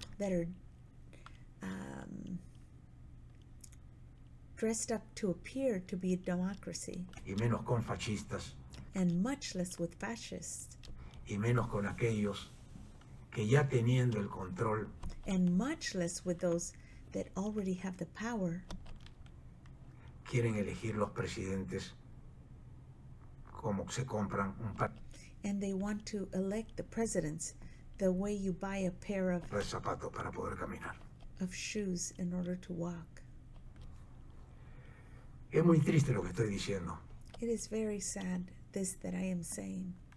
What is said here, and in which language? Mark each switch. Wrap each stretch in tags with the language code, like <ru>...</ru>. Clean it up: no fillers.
<en>that are dressed up to appear to be a democracy,</en> <es>y menos con fascistas,</es> <en>and much less with fascists,</en> <es>y menos con aquellos que ya teniendo el control,</es> <en>and much less with those that already have the power,</en> <es>quieren elegir los presidentes como se compran un par,</es> <en>and they want to elect the presidents the way you buy a pair of</en> <es>zapatos para poder caminar,</es> <en>of shoes in order to walk.</en> <es>Es muy triste lo que estoy diciendo.</es> <en>It is very sad this that I am saying.</en>